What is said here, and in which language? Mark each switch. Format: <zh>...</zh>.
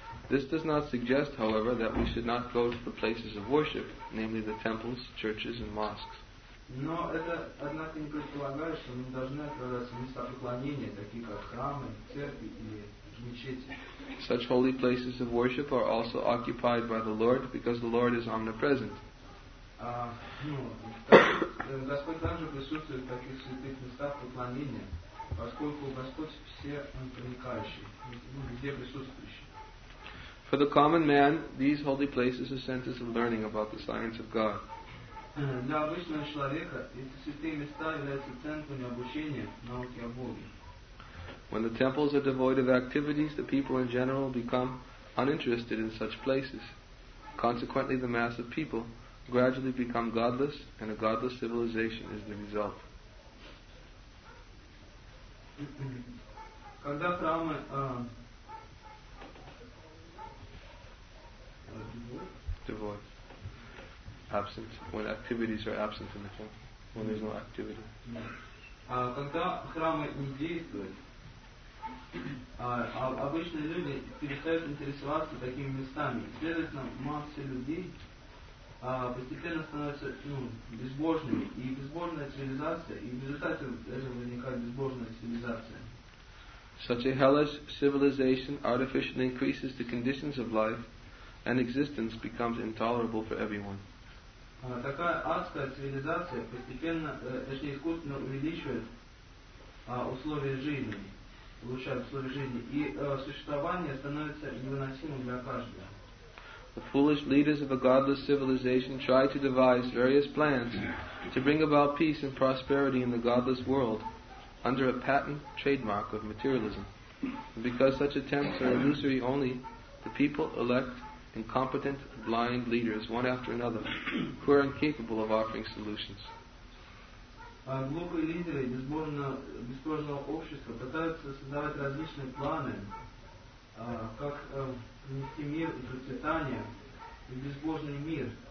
<en>This does not suggest, however, that we should not go to the places of worship, namely the temples, churches, and mosques.</en> <ru>Но это, однако, не предполагает, что мы должны отправляться в места поклонения, такие как храмы, церкви и мечети.</ru> <en>Such holy places of worship are also occupied by the Lord, because the Lord is omnipresent.</en> <ru>Господь также присутствует в таких святых местах поклонения, поскольку Господь все проникающий, где присутствующий.</ru> <en>For the common man, these holy places are centers of learning about the science of God.</en> <ru>Для обычного человека эти святые места являются центрами обучения науки о Боге.</ru> <en>When the temples are devoid of activities, the people in general become uninterested in such places. Consequently, the mass of people gradually become godless, and a godless civilization is the result.</en> <ru>Когда храмы</ru> <en>devoid. Absent, when activities are absent in the home, when there's no activity.</en> <ru>Когда храмы не действуют, обычные люди перестают интересоваться такими местами. Следовательно, масса людей постепенно становится безбожными, и безбожная цивилизация, и в результате этого возникает безбожная цивилизация.</ru> <en>Such a hellish civilization artificially increases the conditions of life, and existence becomes intolerable for everyone.</en> <ru>Такая адская цивилизация постепенно, точнее, искусственно увеличивает условия жизни, улучшает условия жизни, и существование становится невыносимым для каждого.</ru> <en>The foolish leaders of a godless civilization try to devise various plans to bring about peace and prosperity in the godless world under a patent trademark of materialism. And because such attempts are illusory only, the people elect incompetent, blind leaders, one after another, who are incapable of offering solutions.</en> <ru>Глупые лидеры безбожного общества пытаются создавать различные планы, как внести мир и процветание в безбожный мир.</ru>